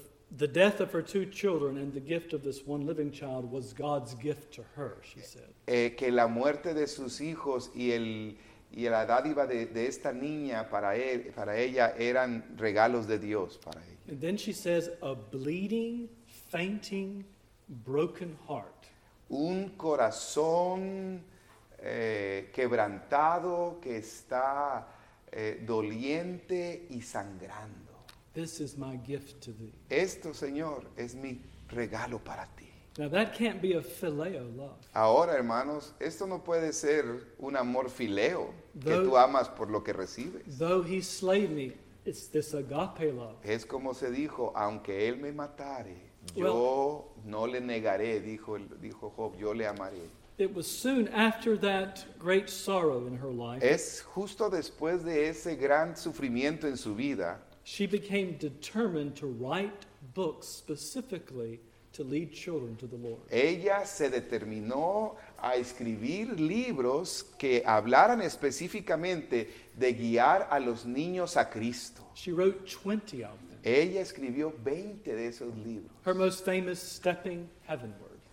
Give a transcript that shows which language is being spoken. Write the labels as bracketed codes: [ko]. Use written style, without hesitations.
[en] The death of her 2 children and the gift of this 1 living child was God's gift to her, she said. [es] Que la muerte de sus hijos y la dádiva de esta niña para ella eran regalos de Dios para ella. [en] And then she says, a bleeding, fainting, broken heart. [es] Un corazón quebrantado que está doliente y sangrando. [en] This is my gift to thee. [es] Esto, Señor, es mi regalo para ti. [en] Now that can't be a phileo love. [es] Ahora, hermanos, esto no puede ser un amor phileo que tú amas por lo que recibes. [en] Though he slay me, it's this agape love. [es] Es como se dijo, aunque él me matare, yo no le negaré, dijo Job, yo le amaré. [en] It was soon after that great sorrow in her life. [es] Es justo después de ese gran sufrimiento en su vida. [en] She became determined to write books specifically to lead children to the Lord. [es] Ella se determinó a escribir libros que hablaran específicamente de guiar a los niños a Cristo. [en] She wrote 20 of them. [es] Ella escribió 20 de esos libros. [en] Her most famous, Stepping Heavenward.